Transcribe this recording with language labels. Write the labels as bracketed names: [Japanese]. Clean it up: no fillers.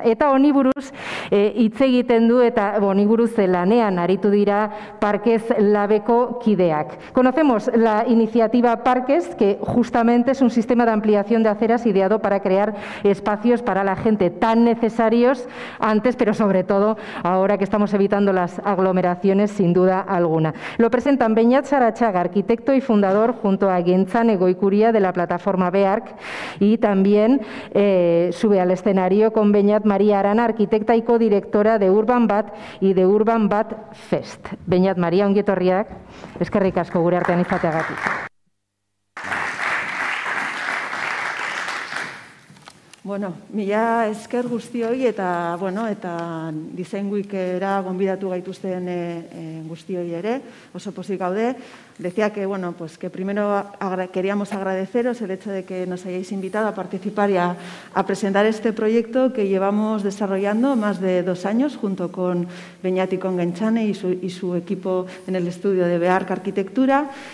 [Basque] Eta honi buruz hitz egiten du eta honi buruz lanean aritu dira Parques Labeko kideak. [Spanish] Conocemos la iniciativa Parques, que justamente es un sistema de ampliación de aceras ideado para crear espacios para la gente tan necesarios antes, pero sobre todo ahora que estamos evitando las aglomeraciones, sin duda alguna. Lo presentan Beñat Sarachaga, arquitecto y fundador, junto a Gintzane Goikuria de la plataforma BEARC, y también sube al escenario con Beñat María Arana, arquitecta y codirectora de Urban Bat y de Urban Bat Fest. [Basque] Beñat María, ongi etorriak, eskerrik asko gure artean izateagatik. Bueno, mila esker guztioi eta, bueno, eta Design Weekera gonbidatu gaituzten guztioi ere, oso pozik gaude. [Spanish] Decía que, bueno, pues que primero queríamos agradeceros el hecho de que nos hayáis invitado a participar y a presentar este proyecto que llevamos desarrollando más de 2 años junto con Beñat y con Gintzane y su equipo en el estudio de BEARC Arquitectura.